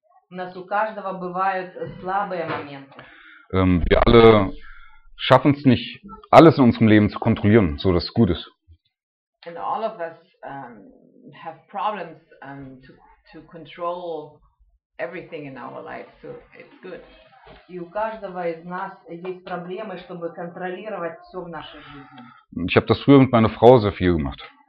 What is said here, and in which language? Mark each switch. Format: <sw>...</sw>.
<ru>У нас у каждого бывают слабые моменты.</ru> <de>Wir alle schaffen es nicht, alles in unserem Leben zu kontrollieren, so dass es gut ist.</de> <en>And all of us have problems to control everything in our life, so it's good.</en> <ru>И у каждого из нас есть проблемы, чтобы контролировать все в нашей жизни.</ru> <de>Ich habe das früher mit meiner Frau sehr viel gemacht.</de>